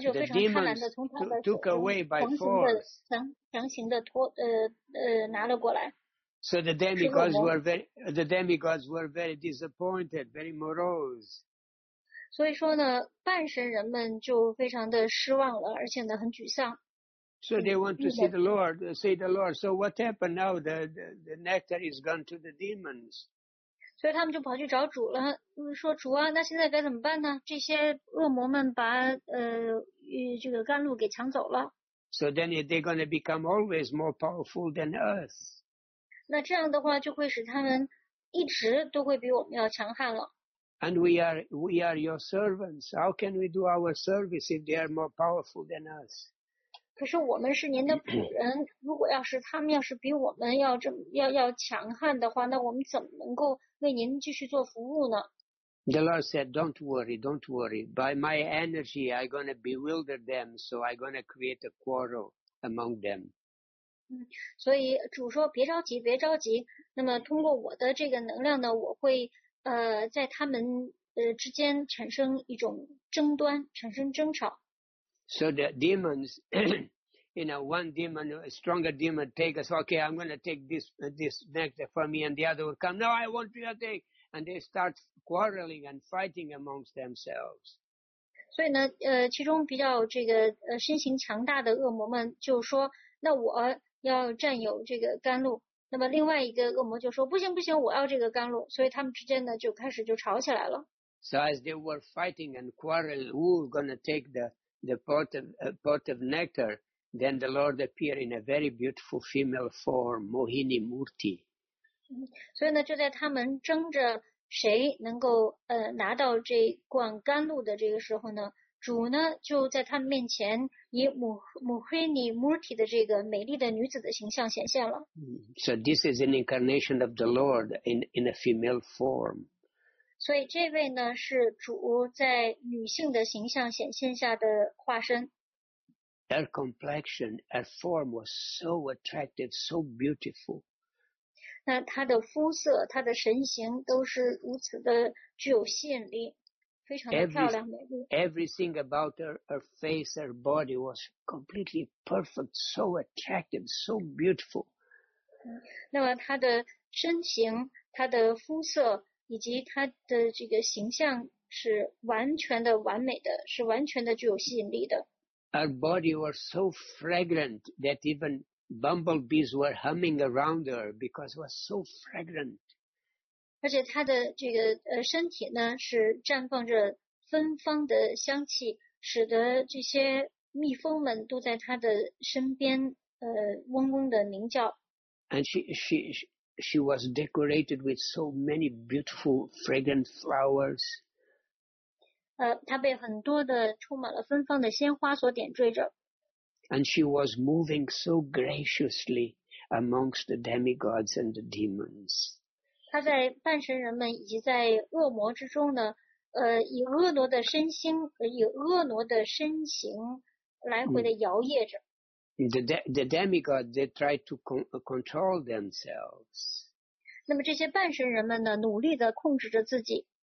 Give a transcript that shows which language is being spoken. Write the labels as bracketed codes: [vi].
[zh] 就非常贪婪的从他的手中拿了过来。 [en] So the demigods were very disappointed, very morose. [zh] 所以说呢，半神人们就非常的失望了，而且呢很沮丧。 [en] So they want to see the Lord, see the Lord. So what happened now? The nectar is gone to the demons. [zh] 所以他们就跑去找主了，说主啊，那现在该怎么办呢？这些恶魔们把这个甘露给抢走了。 [en] So then they're going to become always more powerful than us. [zh] 那这样的话就会使他们一直都会比我们要强悍了。 [en] And we are your servants. How can we do our service if they are more powerful than us? [zh] 可是我们是您的仆人，如果要是他们要是比我们要这么要强悍的话，那我们怎么能够为您继续做服务呢？ [en] The Lord said, "Don't worry, don't worry. By my energy, I'm going to bewilder them, so I'm going to create a quarrel among them." [zh] 所以主说别着急别着急，那么通过我的这个能量呢，我会在他们之间产生一种争端，产生争吵。 [en] So the demons, you know, one demon, a stronger demon takes, okay, I'm going to take this nectar for me, and the other will come, no, I want you to take, and they start quarreling and fighting amongst themselves. [zh] 所以呢其中比较这个身形强大的恶魔们就说，那我要占有这个甘露，那么另外一个恶魔就说，不行不行，我要这个甘露，所以他们之间呢就开始就吵起来了。 [en] So as they were fighting and quarreling, who's going to take the pot of nectar, then the Lord appeared in a very beautiful female form, Mohini Murti. [zh] 所以呢就在他们争着谁能够拿到这罐甘露的这个时候呢，主呢就在他们面前以母黑尼穆提的这个美丽的女子的形象显现了。 [en] So this is an incarnation of the Lord in a female form. [zh] 所以这位呢是主在女性的形象显现下的化身。 [en] Her complexion, her form was so attractive, so beautiful. [zh] 那她的肤色，她的神形都是如此的具有吸引力，非常的漂亮美丽。 [en] Everything about her face, her body was completely perfect, so attractive, so beautiful. [zh] 那么她的身形，她的肤色，以及她的这个形象是完全的完美的，是完全的具有吸引力的。 [en] Her body was so fragrant that even bumblebees were humming around her because it was so fragrant. [zh] 而且她的这个身体呢是绽放着芬芳的香气，使得这些蜜蜂们都在她的身边嗡嗡的鸣叫。 [en] And she was decorated with so many beautiful fragrant flowers. [zh] 她被很多的充满了芬芳的鲜花所点缀着。 [en] And she was moving so graciously amongst the demigods and the demons. [zh] 她在半神人们以及在恶魔之中呢，以婀娜的身心，以婀娜的身形来回的摇曳着。 [en] The demigods, they tried to control themselves. [zh] 那么这些半神人们呢，努力地控制着自己。